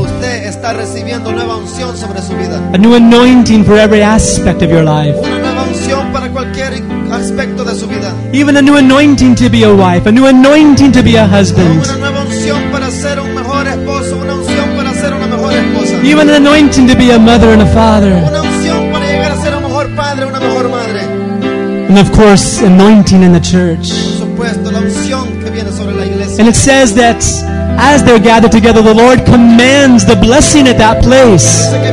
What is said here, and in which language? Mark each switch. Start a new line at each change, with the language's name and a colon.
Spanish: Usted está recibiendo nueva unción sobre su vida.
English: A new anointing for every aspect of your life.
Spanish: Una nueva unción para cualquier aspecto de su vida.
English: Even a new anointing to be a wife, a new anointing to be a husband.
Spanish: Una nueva unción para ser un mejor esposo, una unción para ser una mejor esposa.
English: Even an anointing to be a mother and a father.
Spanish: Una unción para llegar a ser un mejor padre, una mejor madre.
English: And of course, anointing in the church.
Spanish: Por supuesto, la unción que viene sobre la iglesia.
English: And it says that as they're gathered together, the Lord commands the blessing at that place.